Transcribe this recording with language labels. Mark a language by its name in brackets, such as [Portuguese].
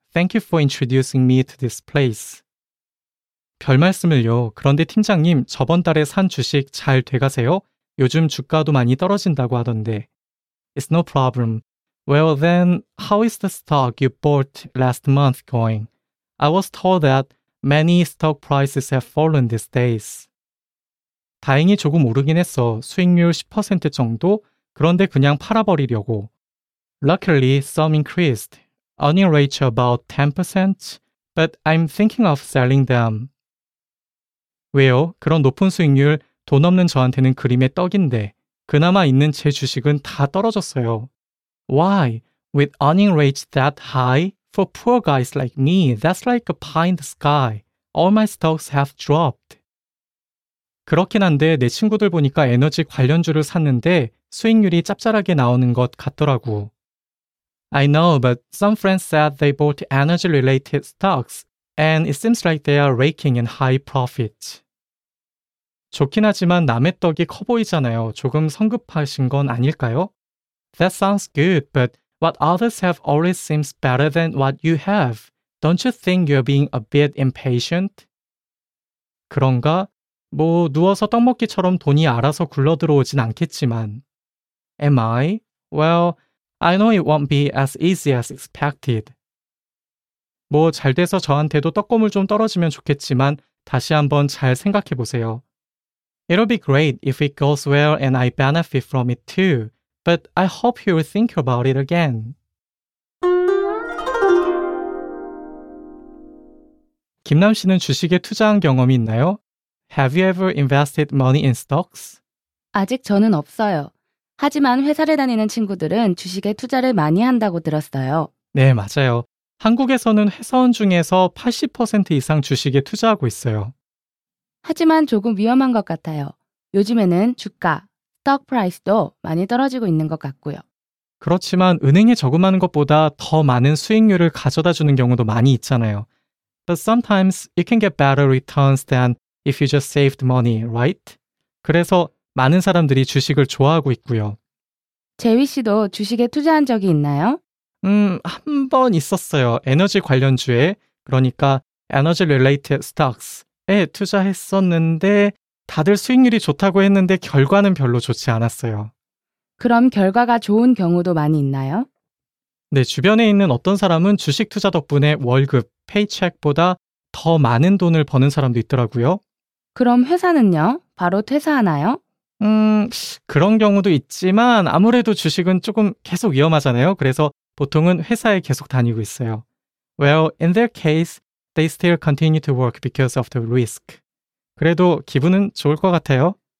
[English] Thank you for introducing me to this place. [Korean] 별 말씀을요. 그런데 팀장님, 저번 달에 산 주식 잘 돼가세요? 요즘 주가도 많이 떨어진다고 하던데. [English] It's no problem. Well then, how is the stock you bought last month going? I was told that many stock prices have fallen these days. [Korean] 다행히 조금 오르긴 했어. 수익률 10% 정도? 그런데 그냥 팔아버리려고. [English] Luckily, some increased. Earning rate about 10%, but I'm thinking of selling them. [Korean] 왜요? 그런 높은 수익률, 돈 없는 저한테는 그림의 떡인데. 그나마 있는 제 주식은 다 떨어졌어요. [English] Why? With earning rates that high? For poor guys like me, that's like a pie in the sky. All my stocks have dropped. [Korean] 그렇긴 한데 내 친구들 보니까 에너지 관련주를 샀는데 수익률이 짭짤하게 나오는 것 같더라고. [English] I know, but some friends said they bought energy-related stocks, and it seems like they are raking in high profits. [Korean] 좋긴 하지만 남의 떡이 커 보이잖아요. 조금 성급하신 건 아닐까요? [English] That sounds good, but what others have always seems better than what you have. Don't you think you're being a bit impatient? [Korean] 그런가? 뭐 누워서 떡 먹기처럼 돈이 알아서 굴러 들어오진 않겠지만. [English] Am I? Well, I know it won't be as easy as expected. [Korean] 뭐 잘 돼서 저한테도 떡고물 좀 떨어지면 좋겠지만 다시 한번 잘 생각해 보세요. [English] It'll be great if it goes well and I benefit from it too. But I hope you'll think about it again. [Korean] 김남 씨는 주식에 투자한 경험이 있나요? [English] Have you ever invested money in stocks? [Korean] 아직 저는 없어요. 하지만 회사를 다니는 친구들은 주식에 투자를 많이 한다고 들었어요. 네, 맞아요. 한국에서는 회사원 중에서 80% 이상 주식에 투자하고 있어요. 하지만 조금 위험한 것 같아요. 요즘에는 주가, [English] stock price [Korean] 도 많이 떨어지고 있는 것 같고요. 그렇지만 은행에 저금하는 것보다 더 많은 수익률을 가져다 주는 경우도 많이 있잖아요. [English] But sometimes you can get better returns than if you just saved money, right? [Korean] 그래서 많은 사람들이 주식을 좋아하고 있고요. 재휘 씨도 주식에 투자한 적이 있나요? 한 번 있었어요. 에너지 관련주에, 그러니까 [English] energy related stocks [Korean] 에 투자했었는데 다들 수익률이 좋다고 했는데 결과는 별로 좋지 않았어요. 그럼 결과가 좋은 경우도 많이 있나요? 네, 주변에 있는 어떤 사람은 주식 투자 덕분에 월급, 페이첵보다 더 많은 돈을 버는 사람도 있더라고요. 그럼 회사는요? 바로 퇴사하나요? 그런 경우도 있지만 아무래도 주식은 조금 계속 위험하잖아요. 그래서 보통은 회사에 계속 다니고 있어요. [English] Well, in their case, they still continue to work because of the risk. [Korean] 그래도 기분은 좋을 것 같아요.